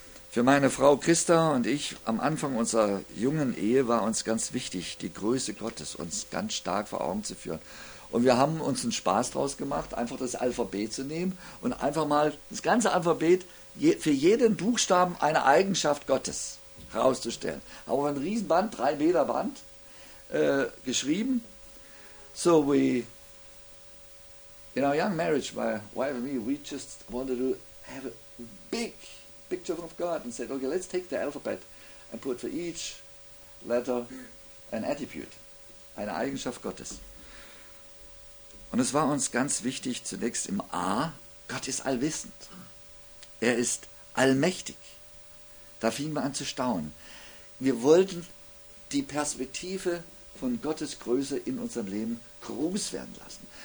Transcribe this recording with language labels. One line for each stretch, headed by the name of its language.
German: Für meine Frau Christa und ich am Anfang unserer jungen Ehe war uns ganz wichtig, die Größe Gottes uns ganz stark vor Augen zu führen. Und wir haben uns einen Spaß draus gemacht, einfach das Alphabet zu nehmen und einfach mal das ganze Alphabet für jeden Buchstaben eine Eigenschaft Gottes herauszustellen. Haben wir ein Riesenband, 3 Meter Band, geschrieben.
English: So we, in our young marriage, my wife and me, we just wanted to have a big picture of God and said, okay, let's take the alphabet and put for each letter an attribute,
German: eine Eigenschaft Gottes. Und es war uns ganz wichtig, zunächst im A, Gott ist allwissend. Er ist allmächtig. Da fingen wir an zu staunen. Wir wollten die Perspektive von Gottes Größe in unserem Leben groß werden lassen.